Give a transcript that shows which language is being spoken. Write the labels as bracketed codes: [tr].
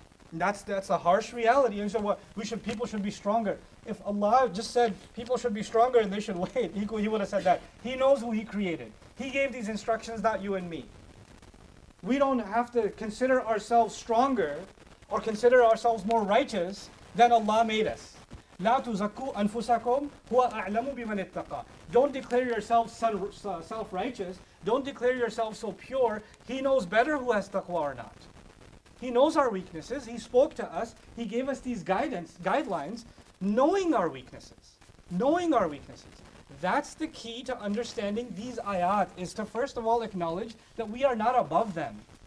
[en] And that's a harsh reality. And so what, people should be stronger. If Allah just said people should be stronger and they should wait, He would have said that. He knows who He created. He gave these instructions, not you and me. We don't have to consider ourselves stronger or consider ourselves more righteous than Allah made us. [ar] لا تزكوا أنفسكم هو أعلم بمن اتقى. [en] Don't declare yourself self-righteous. Don't declare yourself so pure. He knows better who has taqwa or not. He knows our weaknesses. He spoke to us. He gave us these guidelines, knowing our weaknesses. Knowing our weaknesses. That's the key to understanding these ayat, is to first of all acknowledge that we are not above them.